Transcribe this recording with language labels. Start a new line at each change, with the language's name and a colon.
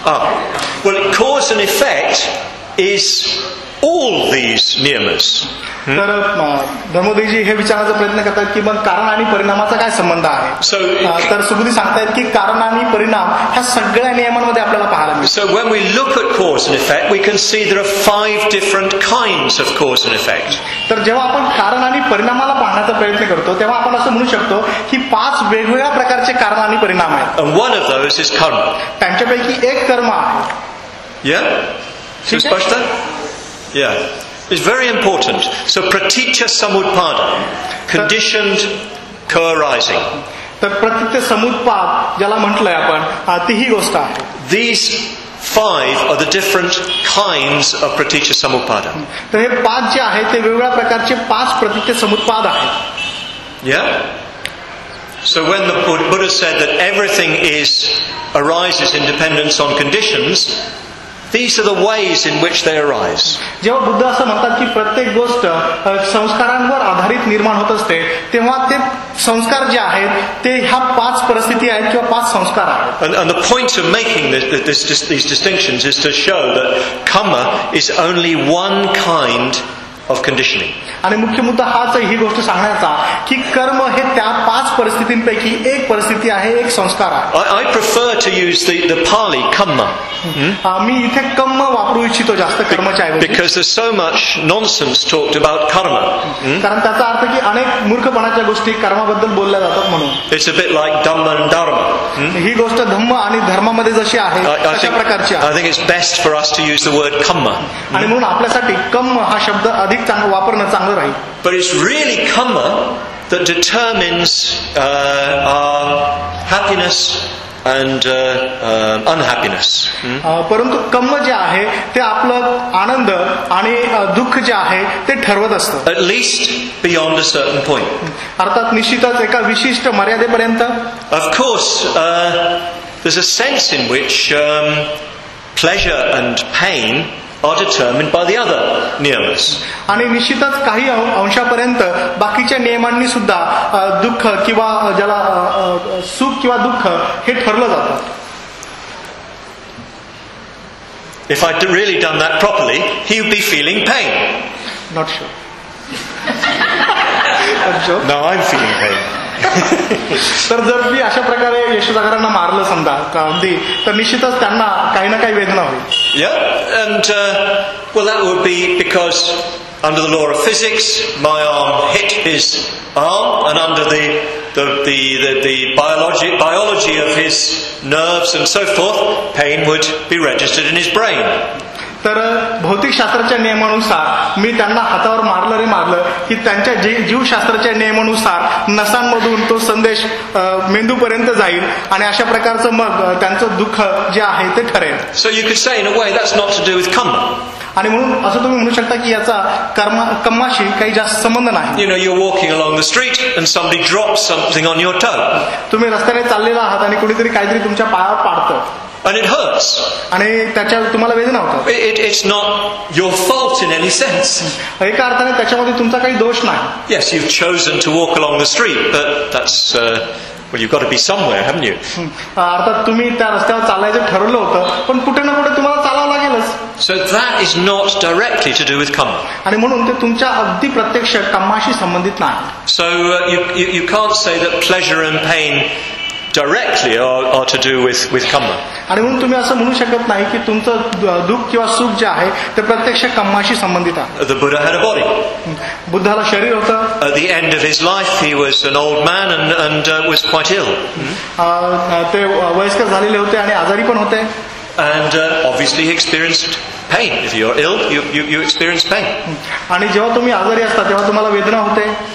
English: Ah, well, cause and effect is all these niyamas.
Marathi: तर धर्मोदयजी हे विचारण्याचा प्रयत्न करतात की मग कारण आणि परिणामाचा काय संबंध आहे. सो तर सुबुद्धी सांगतात की कारण आणि परिणाम ह्या सगळ्या नियमांमध्ये आपल्याला पाहायला मिळतो.
English: So when we look at cause and effect we can see there are 5 different kinds of cause and effect.
Marathi: तर जेव्हा आपण कारण आणि परिणामाला पाहण्याचा प्रयत्न करतो तेव्हा आपण असं म्हणू शकतो की 5 वेगवेगळ्या प्रकारचे कारण आणि परिणाम आहेत.
English: One of those is karma.
Marathi: त्यांच्यापैकी एक कर्म आहे. या स्पष्ट.
English: या is very important. So praticca samuppada, conditioned co-arising.
Marathi: तर प्रतिच्छ समुत्पाद ज्याला म्हटलंय आपण ती ही गोष्ट आहे.
English: These 5 are the different kinds of praticca samuppada.
Marathi: तर हे 5 जे आहे ते वेगवेगळ्या प्रकारचे 5 प्रतिच्छ समुत्पाद आहेत.
English: Yeah. So when the Buddha said that everything arises in dependence on conditions, these are the ways in which they arise.
Marathi: जेव्हा बुद्ध असं म्हणतात की प्रत्येक गोष्ट संस्कारांवर आधारित निर्माण होत असते तेव्हा ते संस्कार जे आहेत ते ह्या 5 परिस्थिती आहेत किंवा 5 संस्कार आहेत.
English: And the point of making these distinctions is to show that karma is only one kind of conditioning.
Marathi: आणि मुख्य मुद्दा हाच आहे ही गोष्ट सांगण्याचा की कर्म हे त्या 5 परिस्थितींपैकी एक परिस्थिती आहे, एक संस्कार आहे.
English: I prefer to use the Pali karma.
Marathi: मी इथे कर्म वापरू इच्छितो जास्त कर्मच्या ऐवजी.
English: Because there's so much nonsense talked about karma.
Marathi: कारण त्याचा अर्थ की अनेक मूर्खपणाच्या गोष्टी कर्माबद्दल बोलल्या जातात म्हणून.
English: It's a bit like dhamma and dharma.
Marathi: ही गोष्ट धम्म आणि धर्मामध्ये जशी आहे अशा प्रकारची.
English: I think it's best for us to use the word karma.
Marathi: आणि म्हणून आपल्यासाठी कर्म हा शब्द अधिक चांगला वापरणं चांगलं राहील.
English: But it's really karma that determines our happiness and unhappiness.
Marathi: परंतु कर्म जे आहे ते आपलं आनंद आणि दुःख जे आहे ते ठरवत असतं.
English: At least beyond a certain point.
Marathi: अर्थात निश्चितच एका विशिष्ट मर्यादेपर्यंत.
English: Of course there's a sense in which pleasure and pain are determined by the other niyamas.
Marathi: आणि निश्चितच काही अंशापर्यंत बाकीच्या नियमांनी सुद्धा दुःख किंवा ज्याला सुख किंवा दुःख हे ठरलं जातं.
English: If I'd really done that properly, he would be feeling pain. Not sure. Not sure. No, I'm feeling pain.
Marathi: तर जर मी अशा प्रकारे यशोधरांना मारलं समजा अगदी तर निश्चितच त्यांना काही ना काही वेदना होईल.
English: Yeah, and well, that would be because under the law of physics, my arm hit his arm, and under the biology of his nerves and so forth, pain would be registered in his brain.
Marathi: तर भौतिकशास्त्राच्या नियमानुसार मी त्यांना हातावर मारलं रे मारलं की त्यांच्या जीवशास्त्राच्या नियमानुसार नसांमधून तो संदेश मेंदूपर्यंत जाईल आणि अशा प्रकारचं मग त्यांचं दुःख जे आहे ते ठरेल.
English: So you could say in a way that's not to do with karma.
Marathi: आणि म्हणून असं तुम्ही म्हणू शकता की याचा कर्माशी काही जास्त संबंध नाही.
English: You know you are walking along the street and somebody drops something on your tongue.
Marathi: तुम्ही रस्त्याने चाललेला आहात आणि कुणीतरी काहीतरी तुमच्या पायावर पाडतं.
English: And it hurts.
Marathi: आणि त्याच्या तुम्हाला वेदना होतात.
English: It's not your fault in any sense.
Marathi: एका अर्थाने त्याच्यामध्ये तुमचा काही दोष नाही.
English: Yes, you've chosen to walk along the street, but that's you've got to be somewhere, haven't you?
Marathi: अर्थात तुम्ही त्या रस्त्यावर चालायचं ठरवलं होतं पण कुठे ना कुठे तुम्हाला चालावं लागेलच.
English: So that is not directly to do with karma.
Marathi: आणि म्हणून ते तुमच्या अगदी प्रत्यक्ष कर्माशी संबंधित नाही.
English: So you can't say that pleasure and pain directly are to do with karma.
Marathi: आणि म्हणून तुम्ही असं म्हणू शकत नाही की तुमचं दुःख किंवा सुख जे आहे ते प्रत्यक्ष कर्माशी संबंधित आहे.
English: The Buddha had a body.
Marathi: बुद्धाला शरीर होतं.
English: At the end of his life he was an old man and was quite ill.
Marathi: ते वयस्कर झालेले होते आणि आजारी पण होते.
English: And obviously he experienced pain. If you're ill, you experience pain.
Marathi: आणि जेव्हा तुम्ही आजारी असता तेव्हा तुम्हाला वेदना होते.